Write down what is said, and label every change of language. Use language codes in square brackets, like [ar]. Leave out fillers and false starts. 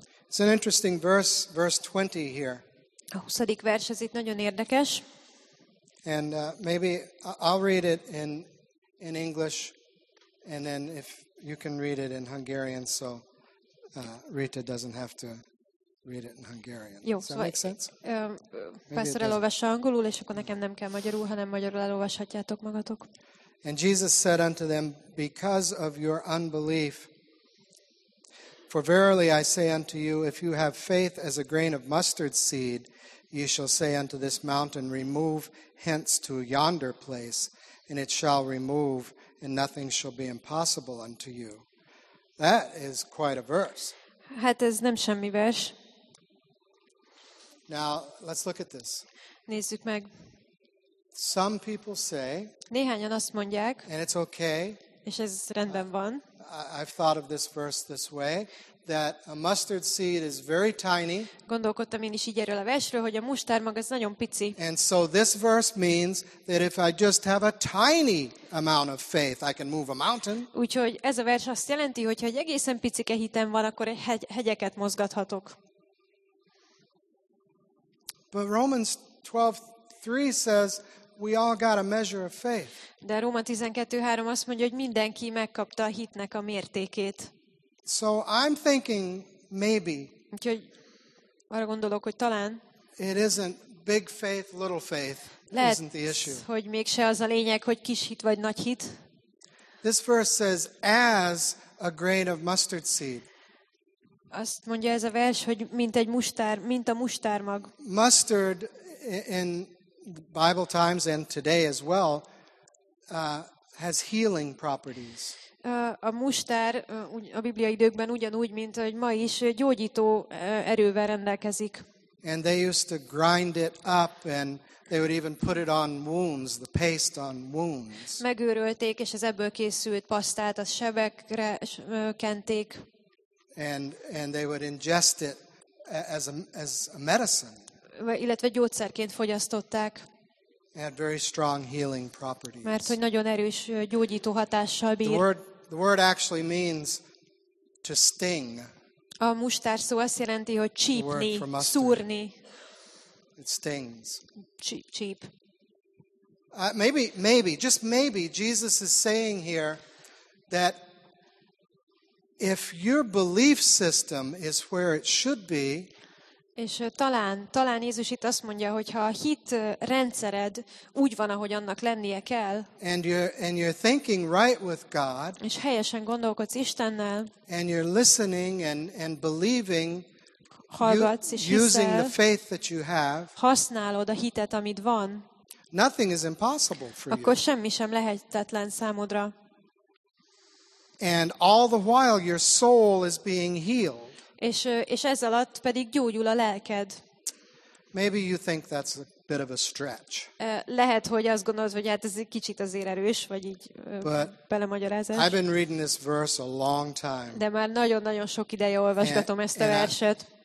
[en] It's an interesting verse 20 here. [hu] A 20. vers, ez itt nagyon érdekes. [en] And maybe I'll read it in English, and then if you can read it in Hungarian, so Rita doesn't have to read it in Hungarian. [hu] Jó, [en] does that make sense? [hu] Pastor elolvassa angolul, és akkor nekem nem kell magyarul, hanem magyarul elolvashatjátok magatok. [en] And Jesus said unto them, because of your unbelief, for verily I say unto you, if you have faith as a grain of mustard seed, ye shall say unto this mountain, remove hence to yonder place, and it shall remove, and nothing shall be impossible unto you. That is quite a verse. [hu] Hát ez nem semmi vers. [en] Now, let's look at this. [hu] Nézzük meg. [en] Some people say, [hu] néhányan azt mondják, [en] and it's okay, [hu] és ez rendben van. [en] I've thought of this verse this way, that a mustard seed is very tiny. [hu] Gondolkodtam én is így erről a versről, hogy a mustármag az nagyon pici. [en] And so this verse means that if I just have a tiny amount of faith, I can move a mountain. [hu] Úgyhogy ez a vers azt jelenti, hogy ha egy egészen picike hitem van, akkor egy hegyeket mozgathatok. [en] But Romans 12:3 says we all got a measure of faith. [hu] De Róma 12:3 azt mondja, hogy mindenki megkapta a hitnek a mértékét. [en] So I'm thinking maybe. [hu] Úgyhogy arra gondolok, hogy talán. [en] It isn't big faith, little faith. [hu] Lehet, [en] isn't the issue. [hu] Hogy mégse az a lényeg, hogy kis hit vagy nagy hit. [en] This verse says as a grain of mustard seed. [hu] Azt mondja ez a vers, hogy mint egy mustár, mint a mustármag. [en] Mustard in Bible times and today as well has healing properties. [hu] A mustár a bibliai időkben ugyanúgy, mint hogy ma is gyógyító erővel rendelkezik. [en] And they used to grind it up and they would even put it on wounds, the paste on wounds. [hu] Megőrölték, és az ebből készült pasztát a sebekre kenték. [en] And they would ingest it as a medicine. [hu] Illetve gyógyszerként fogyasztották. [en] Had very strong healing properties. [hu] Mert hogy nagyon erős gyógyító hatással bír. [en] The word actually means to sting. [hu] A mustár szó azt jelenti, hogy csípni, szúrni. [en] It stings. [hu] Csíp. [en] Maybe Jesus is saying here that if your belief system is where it should be, [hu] és talán Jézus itt azt mondja, hogy ha a hit rendszered úgy van, ahogy annak lennie kell, [en] and you're thinking right with God, [hu] és helyesen gondolkodsz Istennel, [en] and you're listening and believing, [hu] hallgatsz és hiszel, [en] using the faith that you have, [hu] használod a hitet, amit van, [en] nothing is impossible for you. [hu] Akkor semmi sem lehetetlen számodra. [en] And all the while your soul is being healed. [hu] És ez alatt pedig gyógyul a lelked. [en] Maybe you think that's a bit of a stretch. [hu] Lehet, hogy azt gondolod, hogy hát ez egy kicsit azért erős, vagy így belemagyarázás. [en] I've been reading this verse a long time. [hu] De már nagyon-nagyon sok ideje olvasgatom ezt a verset.